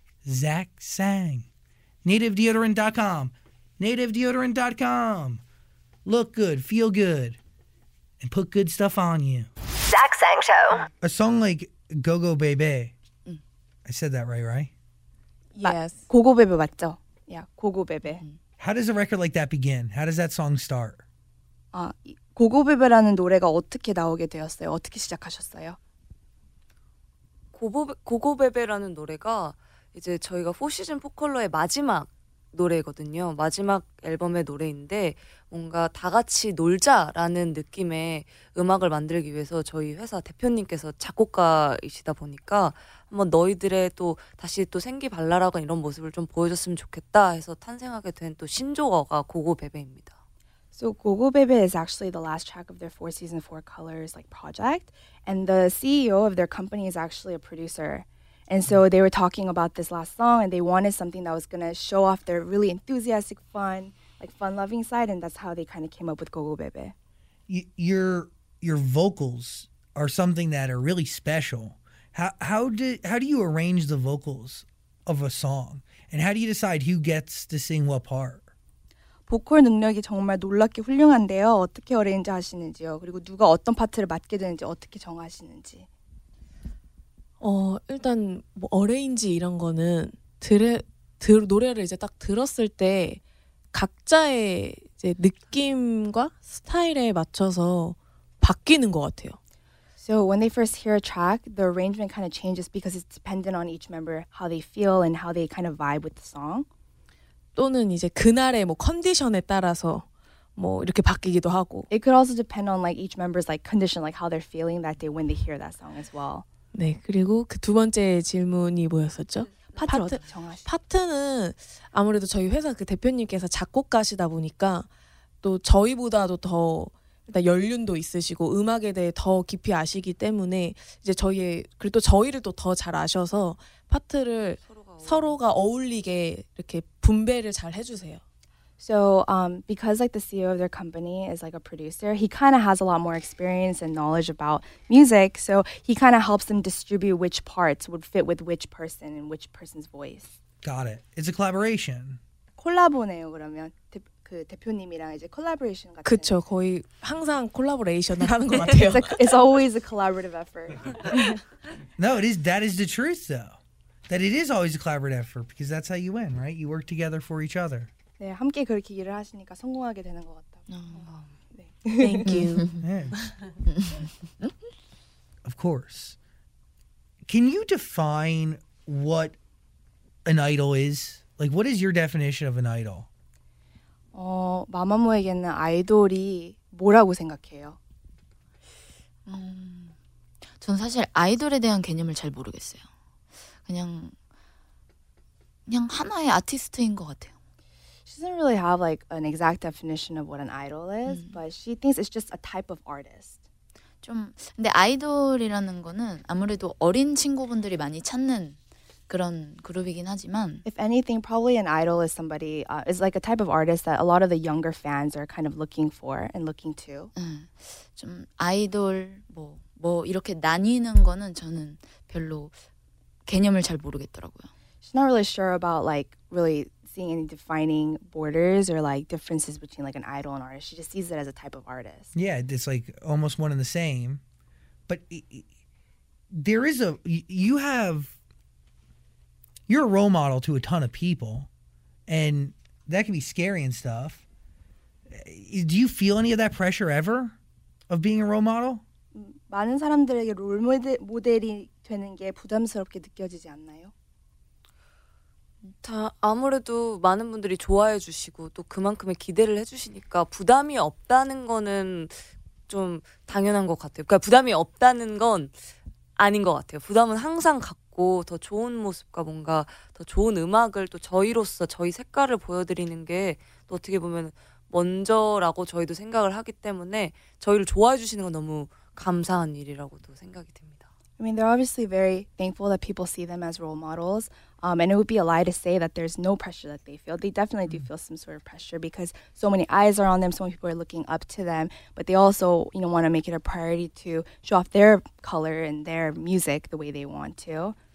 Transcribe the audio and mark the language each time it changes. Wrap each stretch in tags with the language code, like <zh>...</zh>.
<en>Zach Sang. Nativedeodorant.com. Nativedeodorant.com. Look good. Feel good. And put good stuff on you. Zach Sang Show. A song like Go Go Baby. I said that right, right? Yes.</en> <ko>Go Go Baby, 맞죠?</ko> <en>Yeah, Go Go Baby. How does a record like that begin? How does that song start?</en> <ko>아, 고고베베라는 노래가 어떻게 나오게 되었어요? 어떻게 시작하셨어요? 고고베베라는 노래가 이제 저희가 4시즌 4컬러의 마지막 노래거든요. 마지막 앨범의 노래인데 뭔가 다 같이 놀자라는 느낌의 음악을 만들기 위해서 저희 회사 대표님께서 작곡가이시다 보니까 한번 너희들의 또 다시 또 생기 발랄하고 이런 모습을 좀 보여줬으면 좋겠다 해서 탄생하게 된 또 신조어가 고고베베입니다.</ko> <en>So Go Go Baby is actually the last track of their 4 Seasons 4 Colors like project, and the CEO of their company is actually a producer. And so they were talking about this last song and they wanted something that was going to show off their really enthusiastic, fun, like fun-loving side. And that's how they kind of came up with Go Go Baby. Your vocals are something that are really special. How do you arrange the vocals of a song? And how do you decide who gets to sing what part?</en> <ko>보컬 능력이 정말 놀랍게 훌륭한데요. 어떻게 어레인지 하시는지요? 그리고 누가 어떤 파트를 맡게 되는지 어떻게 정하시는지? 일단 뭐 어레인지 이런 거는 노래를 이제 딱 들었을 때 각자의 이제 느낌과 스타일에 맞춰서 바뀌는 것 같아요.</ko> <en>So when they first hear a track, the arrangement kind of changes because it's dependent on each member how they feel and how they kind of vibe with the song.</en> <ko>또는 이제 그날의 뭐 컨디션에 따라서 뭐 이렇게 바뀌기도 하고.</ko> <en>It could also depend on like each member's like condition, like how they're feeling that day when they hear that song as well.</en> <ko>네, 그리고 그 두 번째 질문이 뭐였었죠? 파트는 아무래도 저희 회사 그 대표님께서 작곡가시다 보니까 또 저희보다도 더 일단 연륜도 있으시고 음악에 대해 더 깊이 아시기 때문에 이제 저희의 그리고 또 저희를 또 더 잘 아셔서 파트를 서로가 어울리게 이렇게 분배를 잘 해주세요.</ko> <en>So because like the CEO of their company is like a producer, he kind of has a lot more experience and knowledge about music. So he kind of helps them distribute which parts would fit with which person and which person's voice. Got it. It's a collaboration.</en> <ko>콜라보네요, 그러면. 그 대표님이랑 이제 콜라보레이션 같은. 그렇죠. 거의 항상 콜라보레이션을 하는 것 같아요.</ko> <en>It's always a collaborative effort. No, it is. That is the truth, though. That it is always a collaborative effort because that's how you win, right? You work together for each other.</en> <ko>네, 함께 그렇게 일을 하시니까 성공하게 되는 것 같다고.</ko> <en>Thank you. Of course. Can you define what an idol is? Like, what is your definition of an idol?</en> <ko>마마무에게는 아이돌이 뭐라고 생각해요? 전 사실 아이돌에 대한 개념을 잘 모르겠어요. 그냥 하나의 아티스트인 것 같아요.</ko> <en>She doesn't really have like an exact definition of what an idol is, but she thinks it's just a type of artist.</en> <ko>좀 근데 아이돌이라는 거는 아무래도 어린 친구분들이 많이 찾는 그런 그룹이긴 하지만</ko> <en>if anything probably an idol is somebody is like a type of artist that a lot of the younger fans are kind of looking for and looking to.</en> <ko>좀 아이돌 뭐 이렇게 나뉘는 거는 저는 별로 개념을 잘 모르겠더라고요.</ko> <en>She's not really sure about like really seeing any defining borders or like differences between like an idol and artist. She just sees it as a type of artist. Yeah, it's like almost one and the same. But there is a you're a role model to a ton of people, and that can be scary and stuff. Do you feel any of that pressure ever of being a role model?</en> <ko>많은 사람들에게 롤 모델이 되는 게 부담스럽게 느껴지지 않나요? 다 아무래도 많은 분들이 좋아해 주시고 또 그만큼의 기대를 해주시니까 부담이 없다는 거는 좀 당연한 것 같아요. 그러니까 부담이 없다는 건 아닌 것 같아요. 부담은 항상 갖고 더 좋은 모습과 뭔가 더 좋은 음악을 또 저희로서 저희 색깔을 보여드리는 게 또 어떻게 보면 먼저라고 저희도 생각을 하기 때문에 저희를 좋아해 주시는 건 너무 감사한 일이라고도 생각이 됩니다.</ko> <en>I mean, they're obviously very thankful that people see them as role models. And it would be a lie to say that there's no pressure that they feel. They definitely do feel some sort of pressure because so many eyes are on them, so many people are looking up to them. But they also, you know, want to make it a priority to show off their color and their music the way they want to.</en>